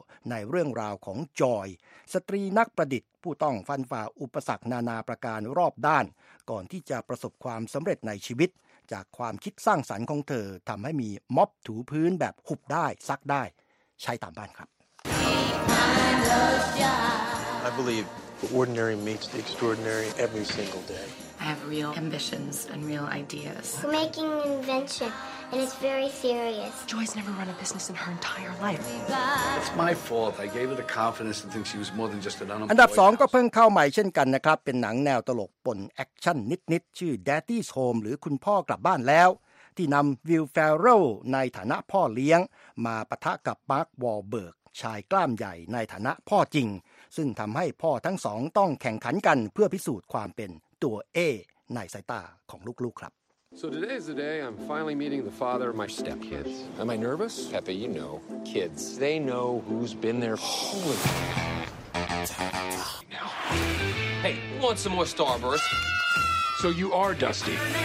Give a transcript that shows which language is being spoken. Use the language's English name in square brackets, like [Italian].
[Thai] ในเรื่องราวของจอยสตรีนักประดิษฐ์ผู้ต้องฟันฝ่าอุปสรรคนานาประการรอบด้านก่อนที่จะประสบความสำเร็จในชีวิตจากความคิดสร้างสรรค์ของเธอทำให้มีม็อบถูพื้นแบบหุบได้ซักได้ใช้ตามบ้านครับ [English] I believeordinary meets the extraordinary every single day. I have real ambitions and real ideas. We're making an invention, and it's very serious. Joy's never run a business in her entire life. It's my fault. I gave her the confidence to think she was more than just an unemployed. [Thai] อันดับ2ก็เพิ่งเข้าใหม่เช่นกันนะครับเป็นหนังแนวตลกปนแอคชั่นนิดๆชื่อ Daddy's Home หรือคุณพ่อกลับบ้านแล้วที่นำวิลเฟอโร่ในฐานะพ่อเลี้ยงมาปะทะกับมาร์ควอลเบิร์กชายกล้ามใหญ่ในฐานะพ่อจริงซึ่งทำให้พ่อทั้งสองต้องแข่งขันกันเพื่อพิสูจน์ความเป็นตัวเอในสายตาของลูกๆครับ [English] So today is the day I'm finally meeting the father of my stepkids. Am I nervous? Pepe, you know, kids. They know who's been there. Holy... Now. Hey, want some more Starburst? So you are Dusty.